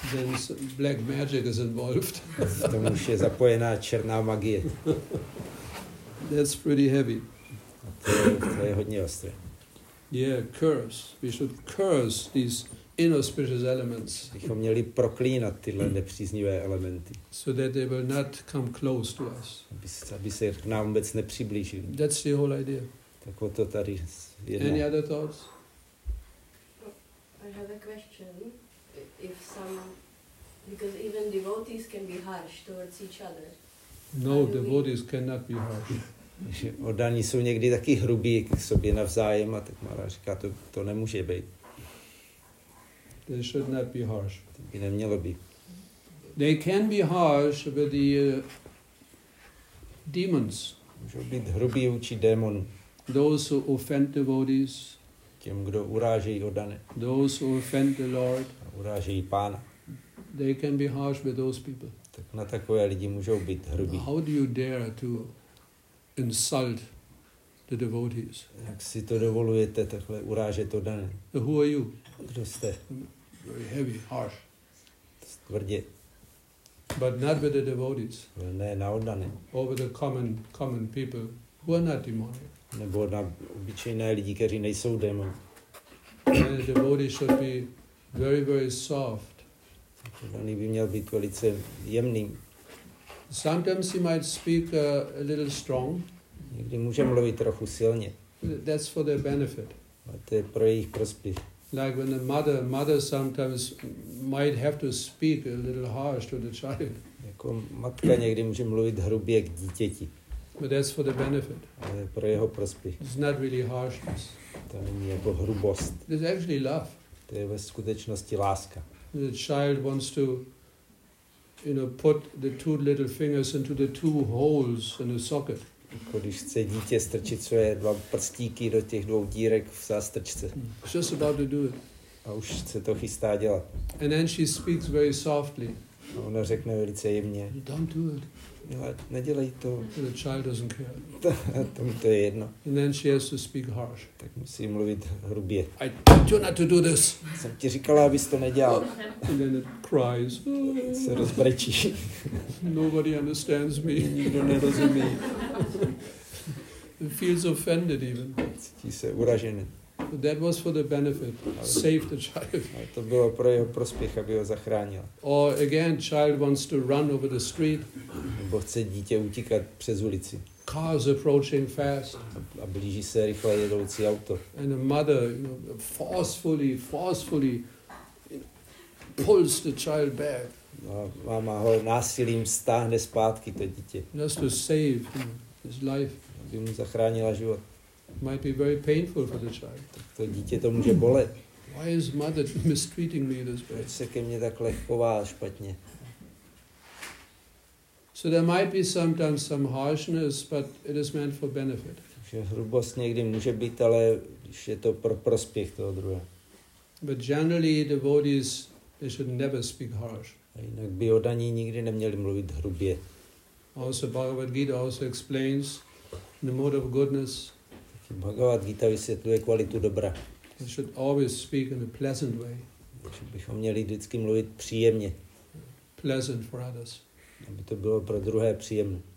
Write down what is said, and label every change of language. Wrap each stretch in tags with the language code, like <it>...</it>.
<en>Then black magic is involved.</en> <cs>To už je zapojená černá magie.</cs> <en>That's pretty heavy.</en> <cs>To je hodně ostré.</cs> <en>Yeah, curse. We should curse these inauspicious elements.</en> <cs>Bychom měli proklínat tyhle nepříznivé elementy.</cs> <en>So that they will not come close to us.</en> <cs>Aby se k nám vůbec nepřiblížili.</cs> <en>That's the whole idea.</en> <cs>Tak o to tady jedná.</cs> <en>Any other thoughts? I have a question. If some, because even devotees can be harsh towards each other. No, devotees cannot be harsh.</en> <cs>Že oddaní jsou někdy taky hrubí k sobě navzájem, a tak Mara říká, to nemůže být.</cs> <en>They should not be harsh.</en> <cs>To by nemělo být.</cs> <en>They can be harsh with the demons.</en> <cs>Můžou být hrubí vůči démonu.</cs> <en>Those who offend devotees.</en> <cs>Těm, kdo urážejí oddané.</cs> <en>Those who offend the Lord.</en> <cs>Urážejí pána.</cs> <en>They can be harsh with those people.</en> <cs>Tak na takové lidi můžou být hrubí.</cs> <en>How do you dare to insult the devotees?</en> <cs>Jak si to dovolujete takhle urážet oddané?</cs> <en>Who are you?</en> <cs>Kdo jste?</cs> <en>Very heavy, harsh.</en> <cs>Tvrdě.</cs> <en>But not with the devotees.</en> <cs>Ne, na oddané.</cs> <en>Or with the common people who are not demonic.</en> <cs>Nebo na obyčejné lidi, kteří nejsou démon.</cs> <en>And the devotee should be very, very soft.</en> <cs>Oddaný by měl být velice jemný.</cs> <en>Sometimes he might speak a little strong.</en> <cs>Někdy může mluvit trochu silně.</cs> <en>That's for their benefit.</en> <cs>A to je pro jejich prospěch.</cs> <en>Like when a mother sometimes might have to speak a little harsh to the child.</en> <cs>Jako matka někdy může mluvit hrubě k dítěti.</cs> <en>But that's for the benefit.</en> <cs>Ale pro jeho prospěch.</cs> <en>It's not really harshness.</en> <cs>To není jako hrubost.</cs> <en>It's actually love.</en> <cs>To je ve skutečnosti láska.</cs> <en>The child wants to, you know, put the two little fingers into the two holes in the socket.</en> <cs>Když chce dítě strčit své dva prstíky do těch dvou dírek v zástrčce.</cs> <en>Just about to do it.</en> <cs>A už se to chystá dělat.</cs> <en>And then she speaks very softly.</en> <cs>A ona řekne velice jemně.</cs> <en>Don't do it.</en> <cs>Ale nedělej to.</cs> <en>The child doesn't care.</en> <cs>Tomu to je jedno.</cs> <en>And then she has to speak harsh.</en> <cs>Tak musí mluvit hrubě.</cs> <en>I told you not to do this.</en> <cs>Jsem ti říkala, abys to nedělal.</cs> <en>And then it cries.</en> <cs>Se rozbrečí.</cs> <en>Nobody understands me.</en> <cs>Nikdo nerozumí.</cs> <en>It feels offended even.</en> <cs>Cítí se uražený.</cs> <en>But that was for the benefit. Save the child.</en> <cs>To bylo pro jeho prospěch, aby ho zachránil.</cs> <en>Or again, child wants to run over the street.</en> <cs>Nebo chce dítě utíkat přes ulici.</cs> <en>Cars approaching fast.</en> <cs>A blíží se rychle jedoucí auto.</cs> <en>And the mother, you know, forcefully pulls the child back.</en> <cs>A máma ho násilím stáhne zpátky to dítě.</cs> <en>Just to save, you know, his life.</en> <cs>Aby mu zachránila život.</cs> <en>Might be very painful for the child.</en> <cs>To dítě to může bolet.</cs> <en>Why is mother mistreating me this way?</en> <cs>Proč se ke mně takhle chová špatně?</cs> <en>So there might be sometimes some harshness, but it is meant for benefit.</en> <cs>Že hrubost někdy může být, ale když je to pro prospěch toho druhého.</cs> <en>But generally devotees, they should never speak harsh.</en> <cs>A jinak by oddaní nikdy neměli mluvit hrubě.</cs> <en>Also Bhagavad Gita also explains the mode of goodness.</en> <cs>Bhagavad Gita vysvětluje kvalitu dobra.</cs> <en>We should always speak in a pleasant way.</en> <cs>Bychom měli vždycky mluvit příjemně.</cs> <en>Pleasant for others.</en> <cs>Aby to bylo pro druhé příjemné.</cs>